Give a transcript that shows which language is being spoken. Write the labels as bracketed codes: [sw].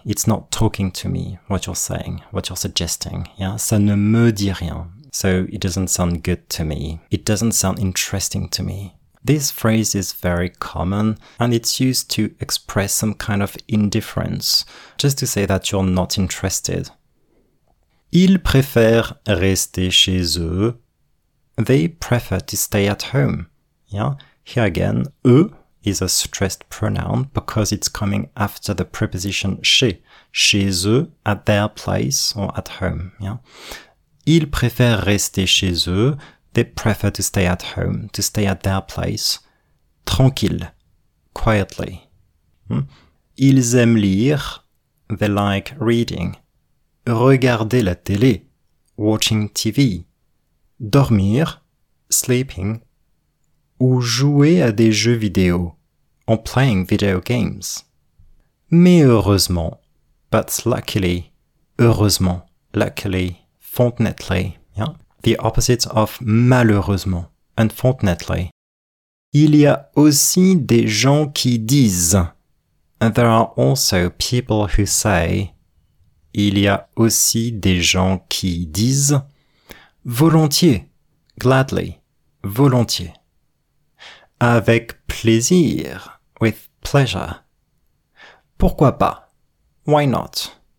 [en] It's not talking to me, what you're saying, what you're suggesting. Yeah, [fr] ça ne me dit rien. [en] So it doesn't sound good to me. It doesn't sound interesting to me. This phrase is very common, and it's used to express some kind of indifference, just to say that you're not interested. [fr] Ils préfèrent rester chez eux. [en] They prefer to stay at home. Yeah. Here again, eux is a stressed pronoun because it's coming after the preposition chez. [fr] Chez eux, [en] at their place or at home. Yeah. [fr] Ils préfèrent rester chez eux. [en] They prefer to stay at home, to stay at their place. [fr] Tranquille, quietly. Ils aiment lire. [en] They like reading. [fr] Regarder la télé. [en] Watching TV. Dormir. Sleeping. [fr] Ou jouer à des jeux vidéo. [en] Or playing video games. [fr] Mais heureusement. [en] But luckily. Heureusement. Luckily. Fortunately. Yeah. The opposite of malheureusement, unfortunately. [fr] Il y a aussi des gens qui disent. [en] And there are also people who say. [fr] Il y a aussi des gens qui disent. Volontiers, gladly, volontiers. Avec plaisir, [en] with pleasure. [fr] Pourquoi pas? [en] Why not?